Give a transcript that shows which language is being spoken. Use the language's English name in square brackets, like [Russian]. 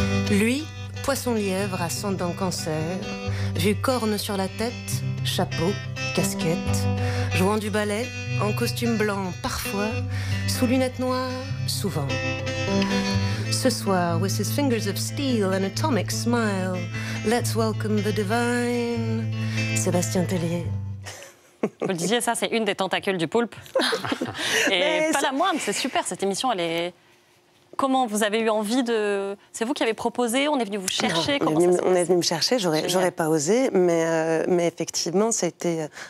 [French] Lui, poisson-lièvre, ascendant cancer, vu corne sur la tête, chapeau, casquette, jouant du ballet, en costume blanc parfois, sous lunettes noires souvent. Ce soir, [English] with his fingers of steel and atomic smile, let's welcome the divine Sébastien Tellier. [French] Vous le disiez, ça, c'est une des tentacules du poulpe. Et mais pas la moindre, c'est super, cette émission, elle est... Comment vous avez eu envie de... C'est vous qui avez proposé, on est venu vous chercher. Non, on est venu me chercher, j'aurais pas osé, mais effectivement, c'était...